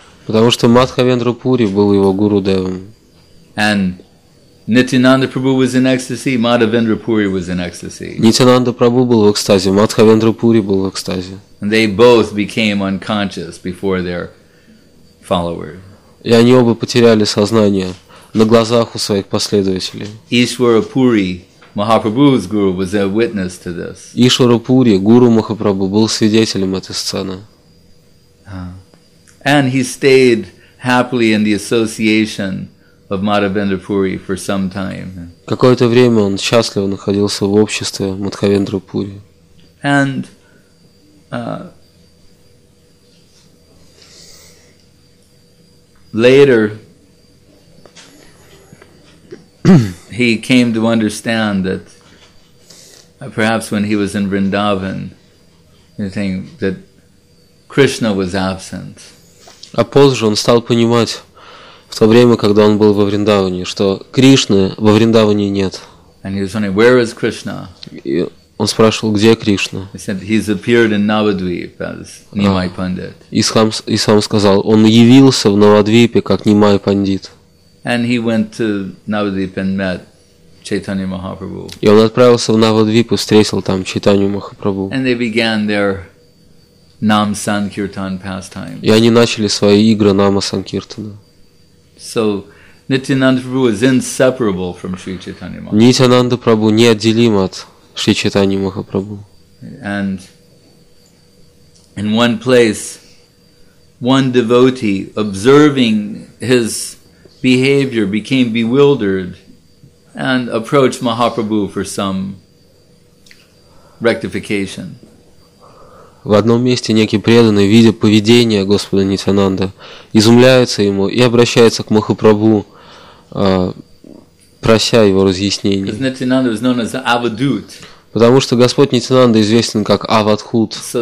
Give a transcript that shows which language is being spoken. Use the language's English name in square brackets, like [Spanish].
[Russian] Потому что Мадхавендра Пури был его гуру Девом. [English] And Nityananda Prabhu was in ecstasy. Madhavendra Puri was in ecstasy. [Russian] Nityananda Prabhu был в экстазе. Мадхавендра Пури был в экстазе. [English] And they both became unconscious before their followers. [Russian] И они оба потеряли сознание на глазах у своих последователей. [English] Ishwara Puri, Mahaprabhu's guru, was a witness to this. [Russian] Ishwara Puri, гуру Махапрабху, был свидетелем этой сцены. [English] And he stayed happily in the association of Madhavendra Puri for some time. [Russian] Какое-то время он счастливо находился в обществе Мадхавендра Пури. [English] And later he came to understand that perhaps when he was in Vrindavan, you think that Krishna was absent. [Russian] А позже он стал понимать, в то время, когда он был во Вриндаване, что Кришны во Вриндаване нет. [English] And he was wondering, where is Krishna? [Russian] И он спрашивал, где Кришна? [English] He said, he's appeared in Navadvip as Nimai Pandit. [Russian] И сам сказал, он явился в Навадвипе как Нимай Пандит. [English] And he went to Navadvip and met Chaitanya Mahaprabhu. [Russian] И он отправился в Навадвип и встретил там Чайтанью Махапрабху. [English] And they began their Nam Sankirtan pastime. [Russian] И они начали свои игры Нама Санкиртана. [English] So Nityananda Prabhu is inseparable from Sri Chaitanya Mahaprabhu. [Russian] Nityananda Prabhu неотделим от Шри Чайтаньи Махапрабху. [English] And in one place, one devotee observing his behavior became bewildered and approached Mahaprabhu for some rectification. [Russian] В одном месте некий преданный, видя поведение Господа Нитянанда, изумляется ему и обращается к Махапрабху, прося его разъяснений. Потому что Господь Нитянанда известен как Авадхут.